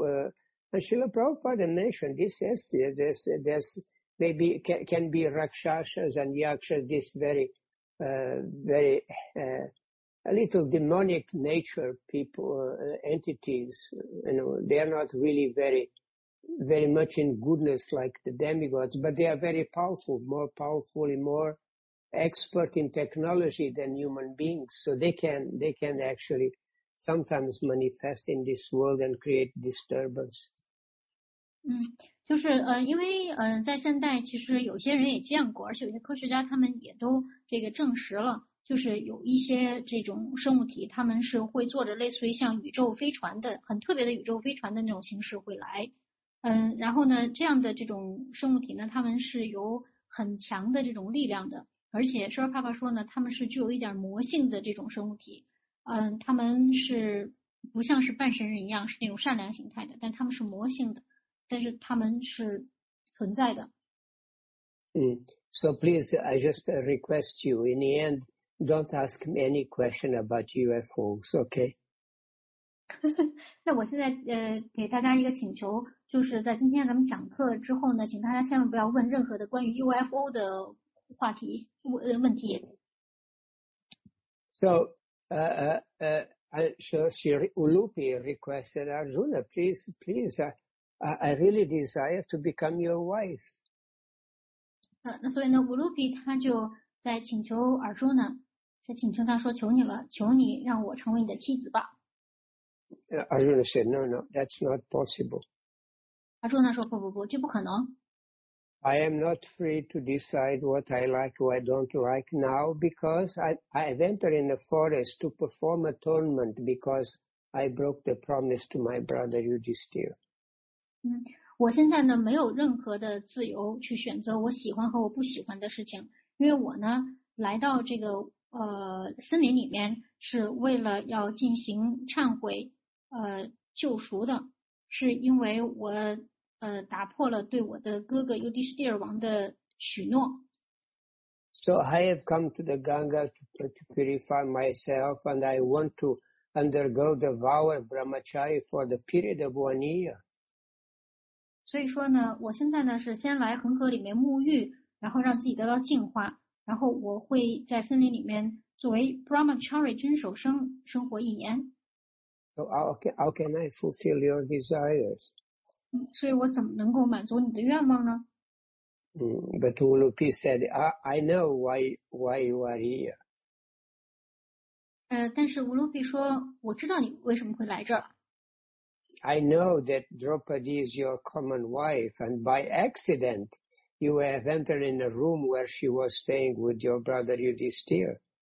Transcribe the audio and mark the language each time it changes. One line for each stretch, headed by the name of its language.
English: And Srila Prabhupada mentioned this, can be Rakshasas and Yakshas, this very, very, a little demonic nature people, entities, you know, they are not really very, very much in goodness like the demigods, but they are very powerful, more powerful and more expert in technology than human beings. So they can actually sometimes manifest in this world and create disturbance.
Chinese: 嗯，就是因为在现代其实有些人也见过，而且有些科学家他们也都这个证实了，就是有一些这种生物体，他们是会坐着类似于像宇宙飞船的很特别的宇宙飞船的那种形式会来，嗯，然后呢，这样的这种生物体呢，他们是有很强的这种力量的，而且说爸爸说呢，他们是具有一点魔性的这种生物体，嗯，他们是不像是半神人一样是那种善良形态的，但他们是魔性的。但是他们是存在的。
English: So please, I just request you, in the end, don't ask me any question about UFOs, okay?
Chinese: 那我现在给大家一个请求，就是在今天咱们讲课之后呢，请大家千万不要问任何的关于 UFO 的话题问题。
English: So, I'm sure Sri Ulupi requested Arjuna, please. I really desire to become your wife.
Chinese: 那所以呢，乌鲁比他就在请求尔朱呢，在请求他说：“求你了，求你让我成为你的妻子吧。”
English: Arjuna said, "No, that's not possible."
Chinese: 尔朱呢说：“不，这不可能。”
English: I am not free to decide what I like or I don't like now because I have entered in the forest to perform atonement because I broke the promise to my brother Yudhisthira.
Chinese: 我现在呢没有任何的自由去选择我喜欢和我不喜欢的事情，因为我呢来到这个森林里面是为了要进行忏悔救赎的，是因为我打破了对我的哥哥尤迪斯蒂尔王的许诺。
English: So I have come to the Ganga to purify myself and I want to undergo the vow of Brahmachari for the period of 1 year.
Chinese: 所以说呢，我现在呢是先来恒河里面沐浴，然后让自己得到净化，然后我会在森林里面作为 Brahmachari 遵守生生活一年。
English: So how can I fulfill your desires?
Chinese: 所以我怎么能够满足你的愿望呢？
English: But Ulupi said, I know why you are here.
Chinese: 但是 Ulupi 说，我知道你为什么会来这儿。
English: I know that Draupadi is your common wife, and by accident, you have entered in a room where she was staying with your brother Yudhisthira.